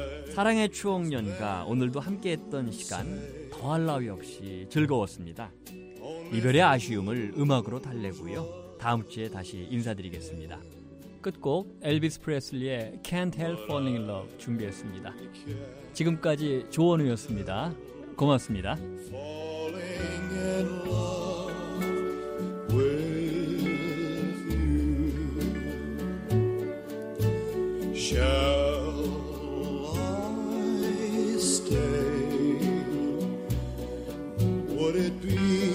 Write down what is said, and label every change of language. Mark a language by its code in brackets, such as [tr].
[ko] 사랑의 추억연가 오늘도 함께했던 시간 더할 나위 없이 즐거웠습니다. 이별의 아쉬움을 음악으로 달래고요. 다음 주에 다시 인사드리겠습니다. 끝곡 엘비스 프레슬리의 Can't Help Falling in Love 준비했습니다. 지금까지 조원우였습니다. 고맙습니다. [en] Falling in love with you Shall I stay Would it be